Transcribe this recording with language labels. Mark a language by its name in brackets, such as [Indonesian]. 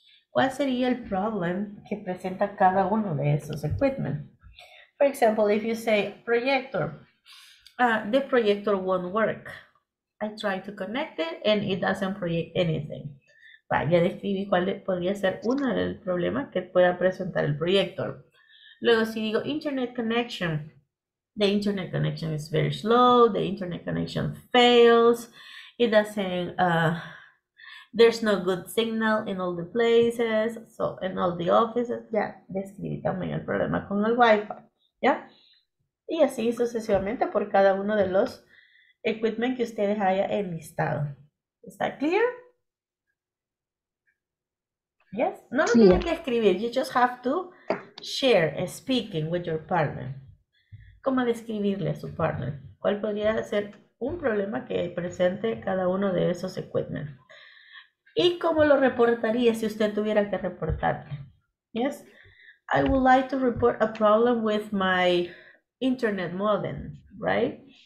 [Spanish] ¿Cuál sería el problem que presenta cada uno de esos equipment? [English] For example, if you say projector, the projector won't work. I try to connect it and it doesn't project anything. [Spanish] Ya describí cuál podría ser uno del problema que pueda presentar el proyector. Luego, si digo [English] internet connection, the internet connection is very slow, the internet connection fails, it doesn't, there's no good signal in all the places, so in all the offices, [Spanish] ya describí también el problema con el Wi-Fi, ¿ya? Y así sucesivamente por cada uno de los equipment que ustedes haya enlistado. ¿Está clear? [English] Yes, [Spanish] no lo tienen que escribir, [English] you just have to share speaking with your partner. [Spanish] ¿Cómo describirle a su partner? ¿Cuál podría ser un problema que presente cada uno de esos equipment? ¿Y cómo lo reportaría si usted tuviera que reportarle? [English] Yes, I would like to report a problem with my internet modem, right?